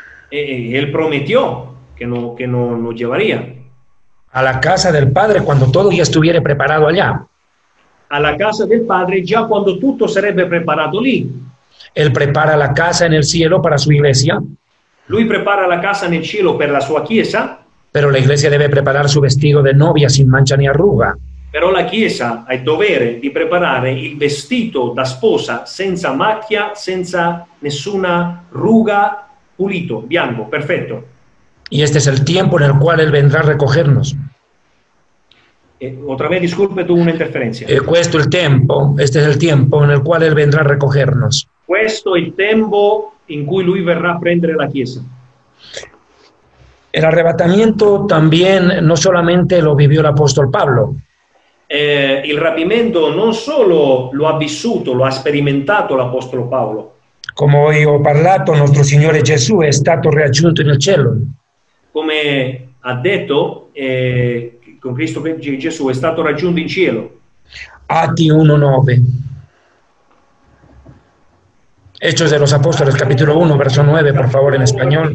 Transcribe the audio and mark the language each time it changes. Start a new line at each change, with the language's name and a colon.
Spanish: Él prometió que no, que no nos llevaría a la casa del Padre cuando todo ya estuviera preparado allá. A la casa del Padre ya cuando todo
Italian: sarebbe
Spanish: preparado
Italian: lì.
Spanish: Él prepara la casa en el cielo para su iglesia.
Italian: Lui prepara la casa
Spanish: en el cielo
Italian: per la sua chiesa.
Spanish: Pero la iglesia debe preparar su vestido de novia sin mancha ni arruga.
Italian: Però la chiesa ha il dovere di preparare il vestito da sposa senza macchia, senza nessuna ruga, pulito, bianco, perfetto.
Spanish: Y este es el tiempo en el cual él vendrá a recogernos. Otra vez, disculpe, tuve una interferencia.
Italian: Questo è il tempo,
Spanish: este es el tiempo en el cual él vendrá a recogernos.
Italian: Questo è il tempo in cui lui verrà a prendere la chiesa.
Spanish: El arrebatamiento también no solamente lo vivió el apóstol Pablo.
Italian: Il rapimento non solo lo ha vissuto, lo ha sperimentato l'apostolo Paolo. Come ho parlato, nostro Signore Gesù è stato raggiunto nel cielo. Come ha detto, con Cristo Gesù è stato raggiunto in cielo. Atti 1:9.
Spanish: Hechos de los Apóstoles, capítulo 1, verso 9, por favor, en español.